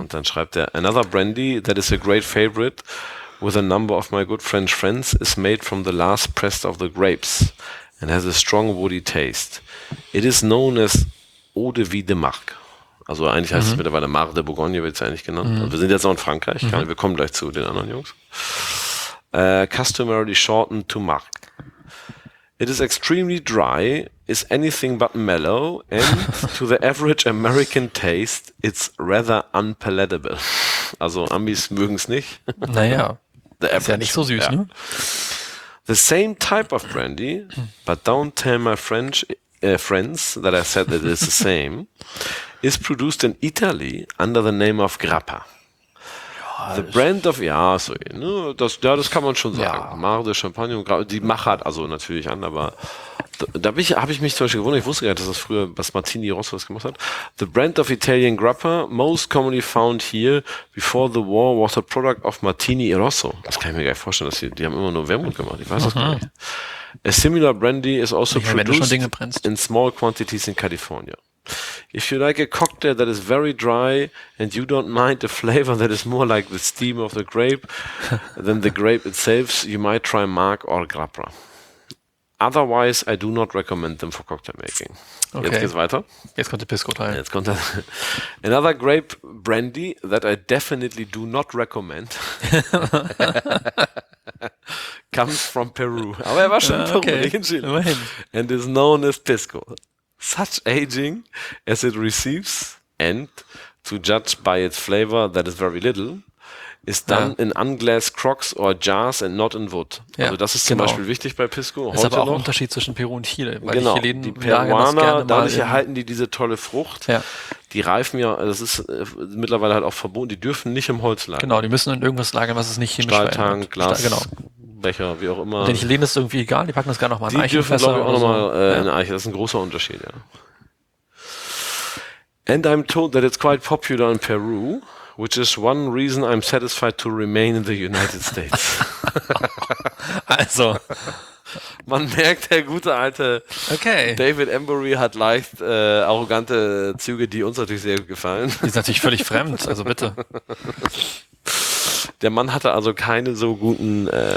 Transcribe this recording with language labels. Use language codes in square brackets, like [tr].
[de] Und dann schreibt er, [en] another Brandy that is a great favorite with a number of my good French friends is made from the last pressed of the grapes. And has a strong woody taste. It is known as Eau de Vie de Marc. [de] Also eigentlich heißt es mittlerweile Mar de Bourgogne, wird es eigentlich genannt. Und wir sind jetzt auch in Frankreich. Wir kommen gleich zu den anderen Jungs. [en] Customarily shortened to Marc. It is extremely dry, is anything but mellow, and to the average American taste, it's rather unpalatable. [de] Also Amis mögen es nicht. Naja, ist ja nicht so süß, ne? [en] The same type of brandy, but don't tell my French friends that I said that it's the same, is produced in Italy under the name of Grappa. [de] Ja, the brand of, ja, so, ne, das kann man schon sagen. Ja. Mare de Champagne und Grappa, die Machart, also natürlich an, aber da habe ich mich zum Beispiel gewundert, ich wusste gar nicht, dass das früher Martini Rosso das gemacht hat. [en] The brand of Italian Grappa, most commonly found here before the war, was a product of Martini Rosso. [de] Das kann ich mir gar nicht vorstellen, dass die haben immer nur Wermut gemacht, ich weiß es gar nicht. [en] A similar brandy is also produced in small quantities in California. If you like a cocktail that is very dry and you don't mind a flavor that is more like the steam of the grape than the grape itself, you might try Marc or Grappa. Otherwise, I do not recommend them for cocktail making. Okay. [de] Jetzt geht's weiter. Jetzt kommt der Pisco Teil. Jetzt kommt der. [en] Another grape brandy that I definitely do not recommend comes from Peru. [de] Aber er war schon in Peru, nicht in Chile. [en] And is known as Pisco. Such aging as it receives and to judge by its flavor that is very little. Ist dann in unglass crocks or jars and not in wood. Ja, [de] also das ist zum Beispiel wichtig bei Pisco. Heute ist aber auch ein Unterschied zwischen Peru und Chile. Weil genau, die Peruaner, dadurch erhalten die diese tolle Frucht. Ja. Die reifen ja, das ist mittlerweile halt auch verboten, die dürfen nicht im Holz lagern. Genau, die müssen in irgendwas lagern, was es nicht chemisch verändert. Stahltank, Glas, Becher, wie auch immer. Den Chilen ist irgendwie egal, die packen das gar nochmal in Eichenfässer. Die dürfen, glaube ich, auch nochmal in Eiche. Das ist ein großer Unterschied, ja. [en] And I'm told that it's quite popular in Peru. Which is one reason I'm satisfied to remain in the United States. [de] Also, man merkt, der gute alte David Embury hat leicht arrogante Züge, die uns natürlich sehr gefallen. Die sind natürlich völlig fremd, also bitte. Der Mann hatte also keine so guten